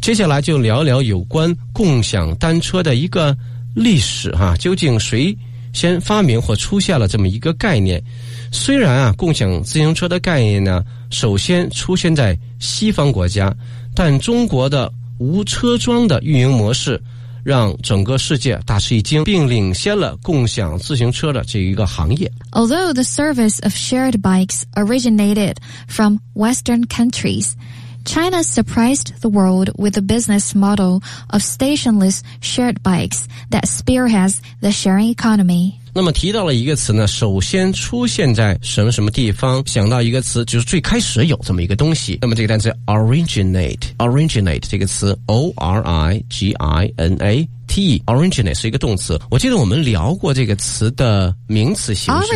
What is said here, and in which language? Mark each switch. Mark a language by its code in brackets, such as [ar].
[zh] 接下来就聊聊有关共享单车的一个历史哈、啊、究竟谁先发明或出现了这么一个概念。虽然啊，共享自行车的概念呢首先出现在西方国家，但中国的无车桩的运营模式让整个世界大吃一惊，并领先了共享自行车的这一个行业。 [en] Although the service of shared bikes originated from Western countriesChina surprised the world with the business model of stationless shared bikes that spearheads the sharing economy. [zh] 那么提到了一个词呢，首先出现在什么什么地方，想到一个词就是最开始有这么一个东西。那么这个单词 originate， originate 这个词 O-R-I-G-I-N-A-T-E， originate 是一个动词。我记得我们聊过这个词的名词形式，